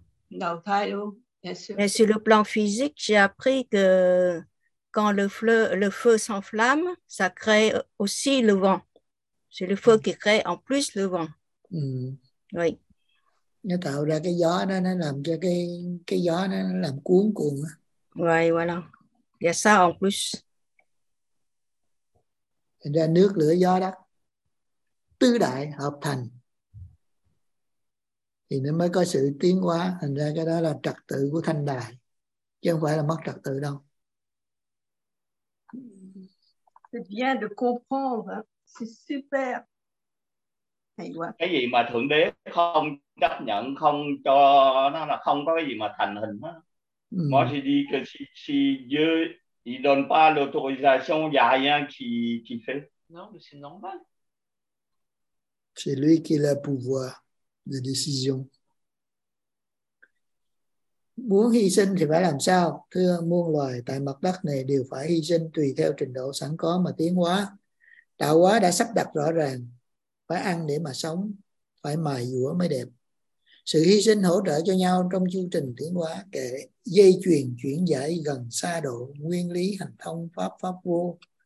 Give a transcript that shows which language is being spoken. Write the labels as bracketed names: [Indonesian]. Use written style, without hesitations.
[French] Mais sur le plan physique, j'ai appris que quand le feu s'enflamme, ça crée aussi le vent. C'est le feu qui crée en plus le vent. Oui. [Vietnamese] Nó tạo ra cái gió đó, nó làm cho cái gió đó, nó làm cuốn cuồng. [French] Oui, voilà. Il y a ça en plus. [Vietnamese] Thành ra nước, lửa, gió đó. Tứ đại hợp thành. Thì nó mới có sự tiến hóa. Thành ra cái đó là trật tự của thanh đài. Chứ không phải là mất trật tự đâu. [French] C'est bien de comprendre. C'est super. [Vietnamese] Cái gì mà Thượng Đế không chấp nhận, không cho nó là không có cái gì mà thành hình hết. [French] Moi j'ai dit que si Dieu il donne pas l'autorisation, il y a rien qui fait. Non, mais c'est normal. C'est lui qui a le pouvoir de décision. [Vietnamese] Muốn hy sinh thì phải làm sao? Thưa muôn loài tại mặt đất này đều phải hy sinh tùy theo trình độ sẵn có mà tiến hóa. Đạo hóa đã sắp đặt rõ ràng. Phải ăn để mà sống. Phải mài dũa mới đẹp. Sự hy sinh hỗ trợ cho nhau trong chu trình tiến hóa kể dây chuyền chuyển giải gần xa độ nguyên lý hành thông pháp vô.